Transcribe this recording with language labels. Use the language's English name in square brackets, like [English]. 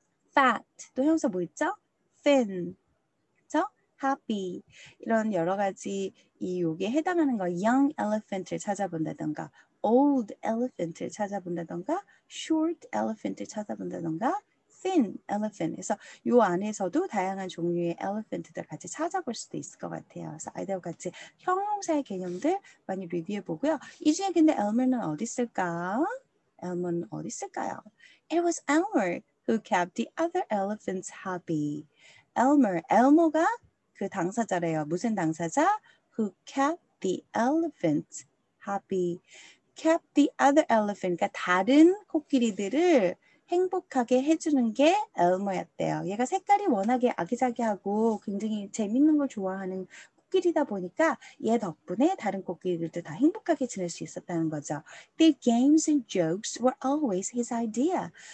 [Korean] fat, 또 형용사 뭐 있죠? thin, happy 이런 여러 가지 이 여기에 해당하는 거 young elephant을 찾아본다던가 old elephant을 찾아본다던가 short elephant을 찾아본다던가 thin elephant 그래서 요 안에서도 다양한 종류의 elephant들 같이 찾아볼 수도 있을 것 같아요. 그래서 아이들 같이 형용사의 개념들 많이 리뷰해 보고요. 이 중에 근데 Elmer는 어디 있을까? Elmer는 어디 있을까요? [English] It was Elmer who kept the other elephants happy. [Korean] Elmer, Elmo가 그 당사자래요. 무슨 당사자? [English] Who kept the elephant happy. Kept the other elephant. [Korean] 그러니까 다른 코끼리들을 행복하게 해주는 게 엘머였대요. 얘가 색깔이 워낙에 아기자기하고 굉장히 재밌는 걸 좋아하는 코끼리다 보니까 얘 덕분에 다른 코끼리들도 다 행복하게 지낼 수 있었다는 거죠. [English] The games and jokes were always his idea.